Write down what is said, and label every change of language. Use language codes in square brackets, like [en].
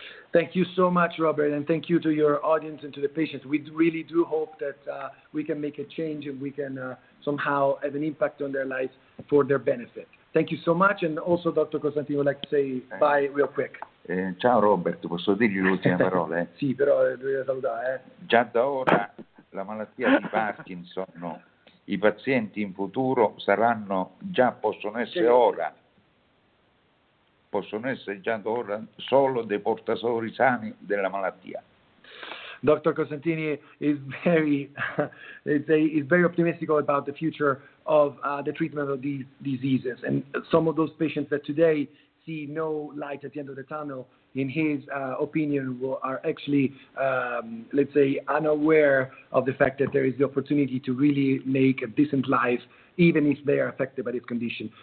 [en] Thank you so much, Robert, and thank you to your audience and to the patients. We really do hope that we can make a change and we can somehow have an impact on their lives for their benefit. Thank you so much, and also Dr. Costantini would like to say bye real quick. [it] Ciao Robert, posso dirgli l'ultima parola? Sì, però dovrei salutare. Già da ora la malattia di Parkinson, no, i pazienti in futuro saranno già, possono essere già da ora solo dei portatori sani della malattia. [en] Dr. Costantini is very is very optimistic about the future of the treatment of these diseases, and some of those patients that today see no light at the end of the tunnel, in his opinion, are actually, let's say, unaware of the fact that there is the opportunity to really make a decent life, even if they are affected by this condition.